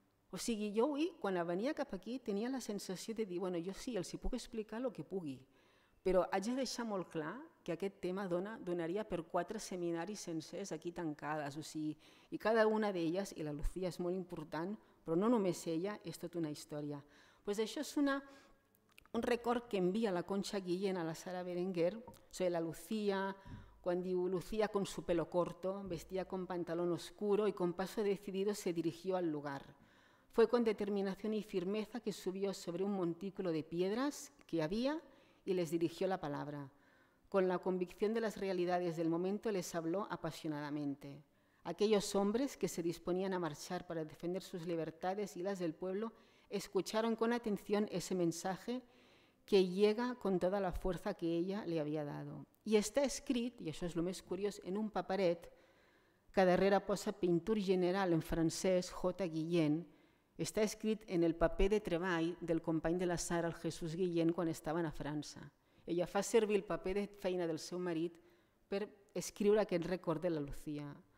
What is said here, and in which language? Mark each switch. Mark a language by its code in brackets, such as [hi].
[ca] O sigui, jo avui, quan venia cap aquí, tenia la sensació de dir, bueno, jo sí, els hi puc explicar el que pugui, però haig de deixar molt clar que aquest tema donaria per 4 seminaris sencers aquí tancades, o sigui, i cada una d'elles, i la Lucía és molt important, però no només ella, és tota una història. Pues això és un record que envia la Concha Guillén a la Sara Berenguer, sobre la Lucía, quan diu [es] Lucía con su pelo corto, vestía con pantalón oscuro y con paso decidido se dirigió al lugar. Fue con determinación y firmeza que subió sobre un montículo de piedras que había y les dirigió la palabra. Con la convicción de las realidades del momento les habló apasionadamente. Aquellos hombres que se disponían a marchar para defender sus libertades y las del pueblo escucharon con atención ese mensaje que llega con toda la fuerza que ella le había dado. [ca] I està escrit, i això és el més curiós, en un paperet que darrere posa Pintura General en francès, J. Guillén, està escrit en el paper de treball del company de la Sara, el Jesús Guillén, quan estaven a França. Ella fa servir el paper de feina del seu marit per escriure aquest record de la Lucía.